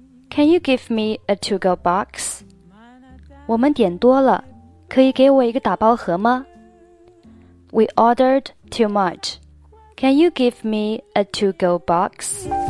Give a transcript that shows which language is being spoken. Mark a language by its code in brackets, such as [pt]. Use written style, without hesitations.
[en] Can you give me a to-go box? [zh] 我们点多了，可以给我一个打包盒吗？ [en] We ordered too much. Can you give me a to-go box?